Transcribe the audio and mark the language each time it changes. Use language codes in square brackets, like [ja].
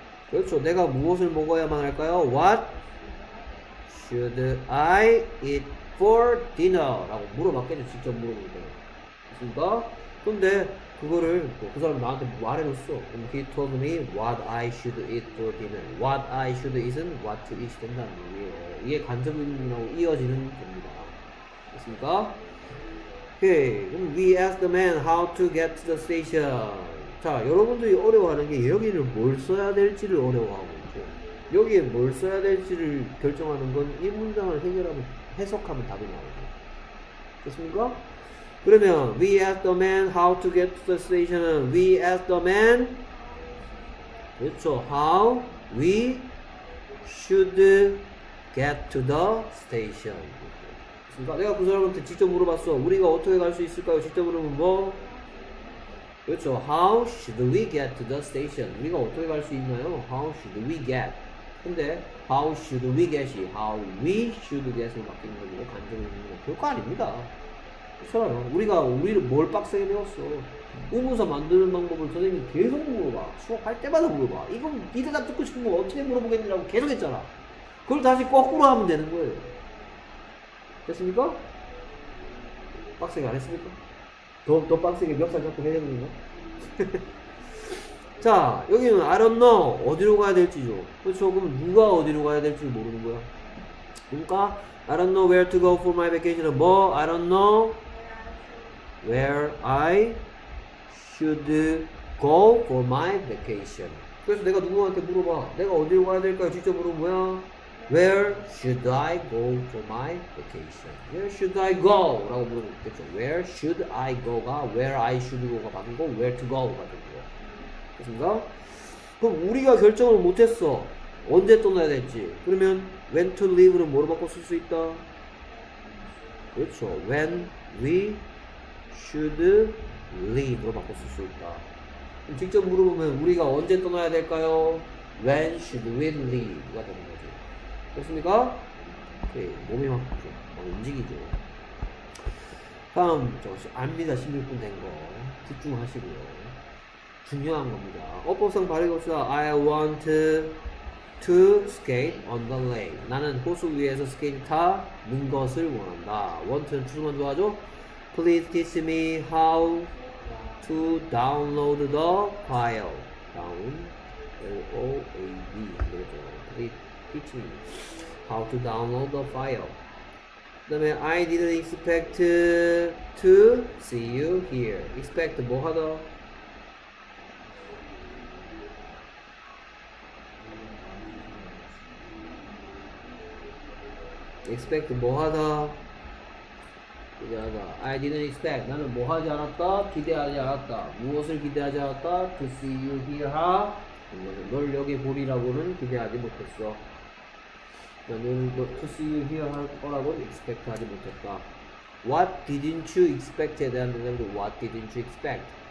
[ko] 그렇죠. 내가 무엇을 먹어야만 할까요? [en] What should I eat for dinner? [ko] 라고 물어봤겠죠. 직접 물어보는 거예요. 됐습니까? 근데 그거를 그 사람이 나한테 말해줬어. [en] He told me what I should eat for dinner. What I should eat은 what to eat [ko] 된다는 거예요. 이게 간접 의문이라고 이어지는 겁니다. 됐습니까? Okay. [en] 그럼 we asked the man how to get to the station. [ko] 자, 여러분들이 어려워하는 게 여기를 뭘 써야 될지를 어려워하고 있고, 여기에 뭘 써야 될지를 결정하는 건 이 문장을 해결하면, 해석하면 답이 나오죠. 됐습니까? [en] 그러면 we asked the man how to get to the station. We asked the man, 그렇죠, how we should get to the station. [ko] 됐습니까? 내가 그 사람한테 직접 물어봤어. 우리가 어떻게 갈 수 있을까요? 직접 물으면 뭐? 그렇죠. [en] How should we get to the station? [ko] 우리가 어떻게 갈 수 있나요? [en] How should we get? [ko] 근데 How should we get이 How we should get으로 바뀌는 거고, 간접으로 있는 거 별거 아닙니다. 그렇잖아요. 우리가 우리를 뭘 빡세게 배웠어. 우문서 만드는 방법을 선생님이 계속 물어봐. 수업할 때마다 물어봐. 이건 이 대답 듣고 싶은 거 어떻게 물어보겠느냐고 계속 했잖아. 그걸 다시 거꾸로 하면 되는 거예요. 됐습니까? 빡세게 안 했습니까? 더 빡세게 멱살 잡고 해야 되는 거? 자, 여기는 [en] I don't know. [ko] 어디로 가야 될지죠. 그렇죠. 그럼 누가 어디로 가야 될지 모르는 거야. [en] 그러니까 I don't know where to go for my vacation. [ko] 뭐? [en] I don't know where I should go for my vacation. [ko] 그래서 내가 누구한테 물어봐. 내가 어디로 가야 될까요? 직접 물어보면 뭐야? [en] Where should I go for my vacation? Where should I go? [ko] 라고 물어보겠죠. [en] Where should I go가 Where I should go가 바뀌고 Where to go가 바뀌고. 됐습니까? [ko] 그럼 우리가 결정을 못했어. 언제 떠나야 될지. 그러면 [en] When to leave [ko] 는 뭐로 바꿔 쓸 수 있다? 그렇죠. [en] When we should leave [ko] 로 바꿔 쓸 수 있다. 그럼 직접 물어보면 우리가 언제 떠나야 될까요? [en] When should we leave [ko] 가 되는 거죠. 됐습니까? 오케이. 몸이 막 움직이죠. 다음, 압니다. 16분 된 거. 집중하시고요. 중요한 겁니다. 어법상 발음해봅시다. [en] I want to skate on the lake. [ko] 나는 호수 위에서 스케이트 타는 것을 원한다. want는 주소만 좋아하죠? [en] Please teach me how to download the file. down LOAD. Teach me how to download the file. 그 다음에 I didn't expect to see you here. [ko] Expect 뭐 하다? 기대하다. [en] I didn't expect. [ko] 나는 뭐 하지 않았다? 기대하지 않았다. 무엇을 기대하지 않았다? [en] To see you here. [ko] 하? 널 여기 보리라고는 기대하지 못했어. 나는 뭐 [en] to see you here [ko] 할 거라고 expect 하지 못했다. [en] What didn't you expect [ko] 에 대한 대답도 [en] What didn't you expect.